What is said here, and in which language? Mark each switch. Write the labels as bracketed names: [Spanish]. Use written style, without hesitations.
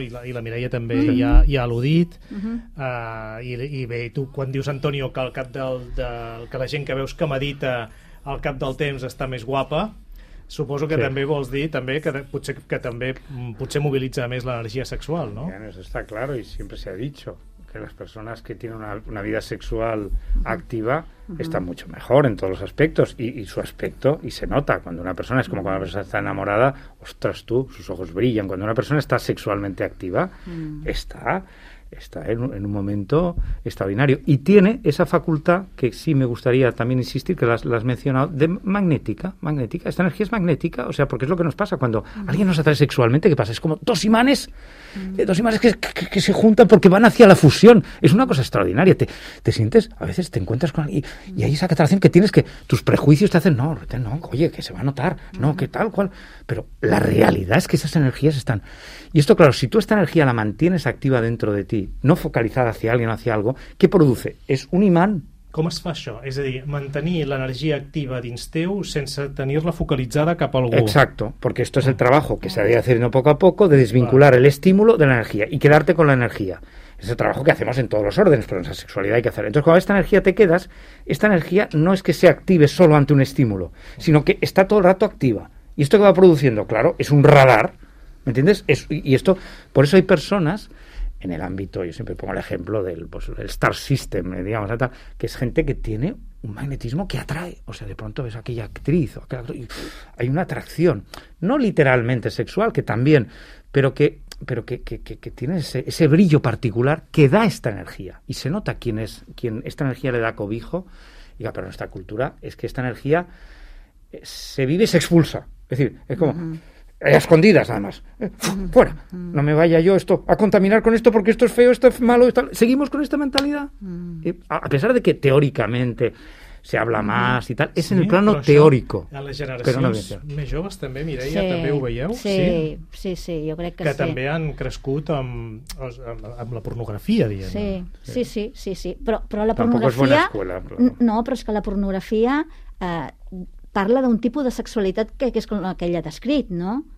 [Catalan] I la Mireia també ja ha al·ludit. I bé, tu quan dius, Antonio, que el cap que la gent que veus que medita al cap del temps està més guapa, suposo que sí. També vols dir també que potser mobilitza més l'energia sexual, no? [Spanish] Bien, eso está claro y siempre se ha dicho que las personas que tienen una vida sexual activa están mucho mejor en todos los aspectos y su aspecto, y se nota cuando una persona, es como cuando una persona está enamorada, ostras tú, sus ojos brillan. Cuando una persona está sexualmente activa, está en un momento extraordinario y tiene esa facultad que sí me gustaría también insistir, que las mencionado, de magnética, esta energía es magnética, o sea, porque es lo que nos pasa cuando alguien nos atrae sexualmente. ¿Qué pasa? Es como dos imanes que se juntan porque van hacia la fusión. Es una cosa extraordinaria, te sientes, a veces te encuentras con alguien y hay esa atracción que tienes, que tus prejuicios te hacen no, oye, que se va a notar, que tal cual, pero la realidad es que esas energías están, y esto claro, si tú esta energía la mantienes activa dentro de ti, no focalizada hacia alguien o hacia algo, ¿qué produce? Es un imán. [Catalan] Com es fa això? És a dir, mantenir l'energia activa dins teu sense tenir-la focalitzada cap a algú. [Spanish] Exacto, porque esto es el trabajo que se ha de hacer poco a poco, de desvincular el estímulo de la energía y quedarte con la energía. Es el trabajo que hacemos en todos los órdenes, pero en esa sexualidad hay que hacer. Entonces, cuando esta energía te quedas, esta energía no es que se active solo ante un estímulo, sino que está todo el rato activa. ¿Y esto qué va produciendo? Claro, es un radar, ¿me entiendes? Y esto, por eso hay personas... En el ámbito, yo siempre pongo el ejemplo del el Star System, digamos, tal, que es gente que tiene un magnetismo que atrae. O sea, de pronto ves a aquella actriz, y hay una atracción, no literalmente sexual, que también, pero que tiene ese brillo particular que da esta energía. Y se nota quién esta energía le da cobijo. Y pero nuestra cultura es que esta energía se vive y se expulsa. Es decir, es como... A escondidas, además. Fuera. No me vaya yo esto a contaminar con esto porque esto es feo, esto es malo. Esto... Seguimos con esta mentalidad. A pesar de que teóricamente se habla más y tal, en el plano teórico. [Catalan] A les generacions més joves també, Mireia, també ho veieu? Sí, jo crec que sí. Que també han crescut amb la pornografia, diguem-ne. Sí. Però la pornografia... Tampoc és bona escola. No, però és que la pornografia... parla d'un tipus de sexualitat que és com aquell ha descrit, no?